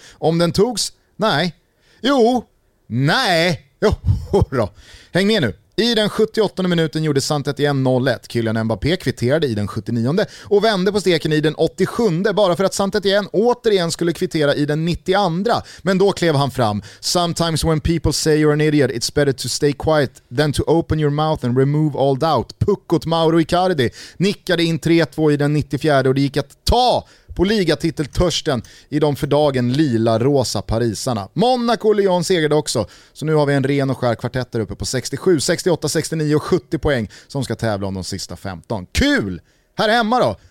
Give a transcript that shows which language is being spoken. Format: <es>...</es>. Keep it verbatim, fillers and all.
<sv>Om den togs? Nej. Jo. Nej. Jo då. Häng med nu. I den sjuttioåttonde minuten gjorde Saint-Étienne noll ett. Kylian Mbappé kvitterade i den sjuttionionde och vände på steken i den åttiosjunde bara för att Saint-Étienne återigen skulle kvittera i den nittioandra. Men då klev han fram.</sv> <en>Sometimes when people say you're an idiot it's better to stay quiet than to open your mouth and remove all doubt.</en> <sv>Puckot Mauro Icardi nickade in tre två i den nittiofjärde och det gick att ta på ligatiteltörsten i de för dagen lila-rosa parisarna. Monaco och Lyon segrade också, så nu har vi en ren och skär kvartett där uppe på sextiosju, sextioåtta, sextionio och sjuttio poäng som ska tävla om de sista femton. Kul! Här hemma då?</sv>